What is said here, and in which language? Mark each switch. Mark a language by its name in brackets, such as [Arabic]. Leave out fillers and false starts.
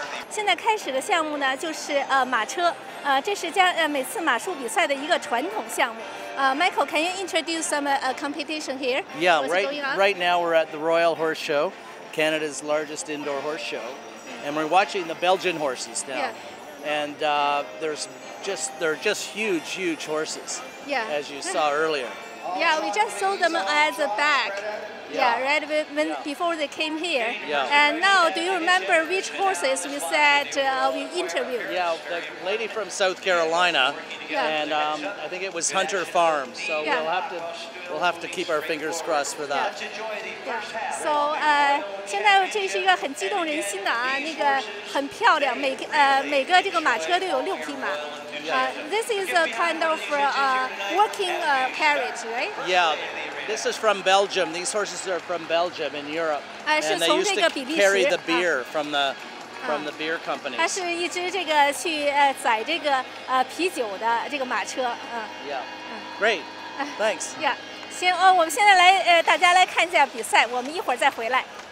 [Chinese] 现在开始的项目呢，就是马车，这是每次马术比赛的一个传统项目。 [English] Michael, can you introduce some competition here? Yeah,、 What's、 right. Right now we're at the Royal Horse Show, Canada's largest indoor horse show, and we're watching the Belgian horses now. Yeah. And they're just huge, huge horses. Yeah. As you saw earlier. Yeah, we just saw them at the back. Yeah, right when before they came here. Yeah. And now, do you remember which horses we said we interviewed? Yeah, the lady from South Carolina, and I think it was Hunter Farm. So we'll have to keep our fingers crossed for that. Yeah. [Chinese] So, 现在这是一个很激动人心的那个很漂亮，每个这个马车都有6匹马。 [English] This is a kind of working carriage, right? Yeah. This is from Belgium. These horses are from Belgium in Europe. And they used to carry the beer from the beer companies. [Chinese] 它是一只这个去载这个啤酒的这个马车。 [English] Yeah. Great. Thanks. Yeah. [Chinese] 行，我们现在来大家来看一下比赛，我们一会儿再回来。